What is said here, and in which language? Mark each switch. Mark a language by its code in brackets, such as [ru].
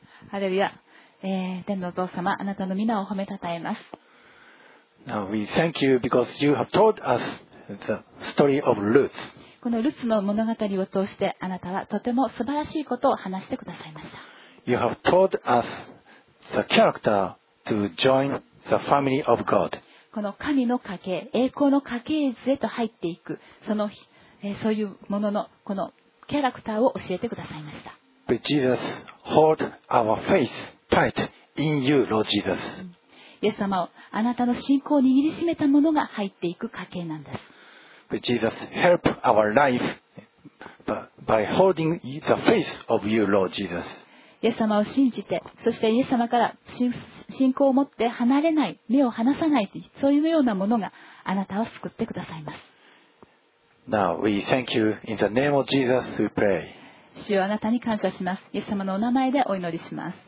[ja] ハレルヤ、天のお父様、あなたの皆を褒めたたえます。 [en] Now we thank you because you have told us the story of Ruth. [ja] このルツの物語を通して、あなたはとても素晴らしいことを話してくださいました。 [en] You have told us the character to join the family of God. [ja] この神の家系、栄光の家系図へと入っていく、その、そういうもののこのキャラクターを教えてくださいました。 [en] But Jesus, hold our faith tight in you, Lord Jesus. [ja] イエス様、あなたの信仰を握りしめたものが入っていく家系なんです。 [en] But Jesus, help our life by holding the faith of you, Lord Jesus. [ja] イエス様を信じて、そしてイエス様から信仰を持って離れない、目を離さない、そういうようなものがあなたを救ってくださいます。 [en] Now we thank you in the name of Jesus we pray. [ja] 主よ、あなたに感謝します。イエス様のお名前でお祈りします。